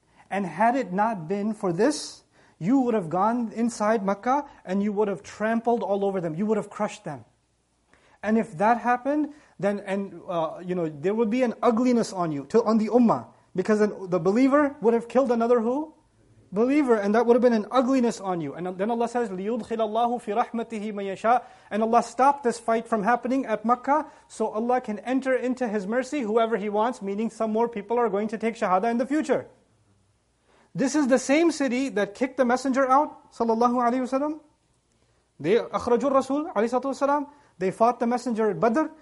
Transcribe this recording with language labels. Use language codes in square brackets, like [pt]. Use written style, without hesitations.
[en] And had it not been for this, you would have gone inside Mecca and you would have trampled all over them. You would have crushed them. And if that happened, then there would be an ugliness on you, on the ummah. Because the believer would have killed another who? Believer. And that would have been an ugliness on you. And then Allah says, [ar] لِيُدْخِلَ اللَّهُ فِي رَحْمَتِهِ مَنْ يَشَاءُ. [en] And Allah stopped this fight from happening at Mecca, so Allah can enter into His mercy whoever He wants, meaning some more people are going to take shahada in the future. This is the same city that kicked the messenger out, sallallahu alayhi wa sallam. They akhrajul Rasul, alayhi sallallahu alayhi wa sallam. They fought the messenger at Badr.